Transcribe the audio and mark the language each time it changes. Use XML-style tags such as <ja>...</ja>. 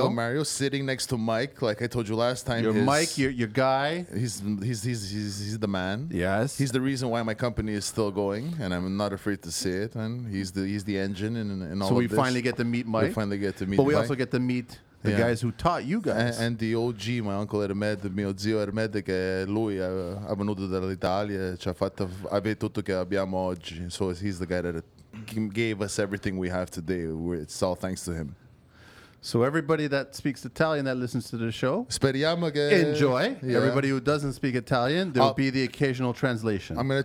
<en>Uncle Mario sitting next to Mike, like I told you last time. Your guy. He's the man. Yes. He's the reason why my company is still going, and I'm not afraid to say it. And he's the engine in all So we finally get to meet Mike. But we also get to meet the guys who taught you guys. And the OG, my uncle Ermed,</en> <it>mio zio Ermed, che lui è venuto dall'Italia, ci ha fatto avere tutto che abbiamo oggi.</it> <en>So he's the guy that gave us everything we have today. It's all thanks to him. So everybody that speaks Italian that listens to the show,</en> <it>speriamo che</it> <en>enjoy. Yeah. Everybody who doesn't speak Italian, there will be the occasional translation.</en>